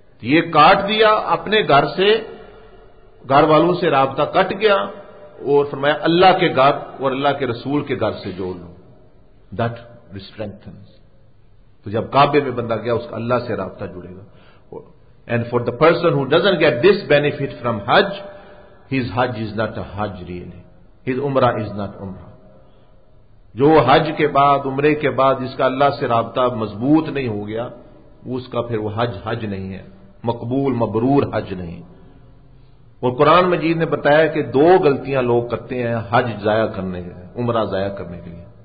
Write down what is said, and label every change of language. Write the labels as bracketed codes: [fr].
[ur] یہ کاٹ دیا اپنے گھر سے, گھر والوں سے رابطہ کٹ گیا, اور فرمایا اللہ کے گھر اور اللہ کے رسول کے گھر سے جوڑ لو, [en] That strengthens. [ur] تو جب کعبے میں بندہ گیا اس کا اللہ سے رابطہ جڑے گا. [en] And for the person who doesn't get this benefit from Hajj, his Hajj is not a Hajj really. His Umrah is not Umrah. [ur] جو حج کے بعد, عمرے کے بعد جس کا اللہ سے رابطہ مضبوط نہیں ہو گیا, اس کا پھر وہ حج حج نہیں ہے, مقبول مبرور حج نہیں. اور قرآن مجید نے بتایا کہ دو غلطیاں لوگ کرتے ہیں حج ضائع کرنے کے لیے, عمرہ ضائع کرنے کے لیے.